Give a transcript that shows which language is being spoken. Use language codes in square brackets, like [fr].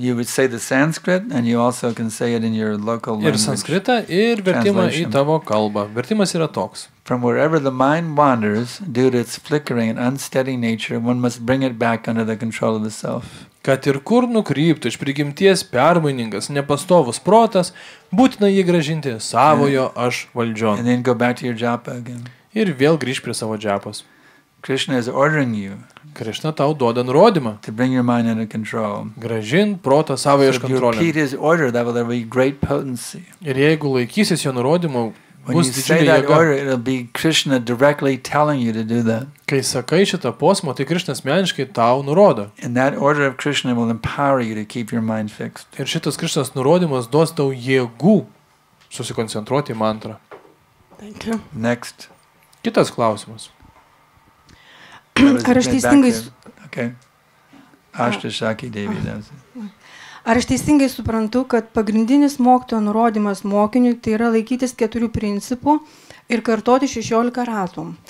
[en] You would say the Sanskrit and you also can say it in your local language. [lt] Ir sanskritą ir vertimą į tavo kalbą. Vertimas yra toks. [en] From wherever the mind wanders, due to its flickering and unsteady nature, one must bring it back under the control of the self. [lt] Kad ir kur nukryptų iš prigimties permainingas, nepastovus protas, būtina jį grąžinti savojo aš valdžion. [en] And then go back to your japa again. [lt] Ir vėl grįž prie savo džapos. [en] Krishna is ordering you. [lt] Krishna tau duoda nurodymą. [en] To bring your mind under control. [lt] Grąžin protą savo iš kontrolę. [en] If you repeat his order, that will be great potency. [lt] Ir jeigu laikysis jo nurodymo, bus didžiulė jėga. [en] When you say that order, it'll be Krishna directly telling you to do that. [lt] Kai sakai šitą posmą, tai Krishna asmeniškai tau nurodo. [en] And that order of Krishna will empower you to keep your mind fixed. [lt] Ir šitas Krishnas nurodymas duos tau jėgų susikoncentruoti į mantrą. [en] Thank you. Next. [lt] Kitas klausimas. Ar aš teisingai suprantu, kad pagrindinis mokytojo nurodymas mokiniui tai yra laikytis 4 principų ir kartoti 16 ratų.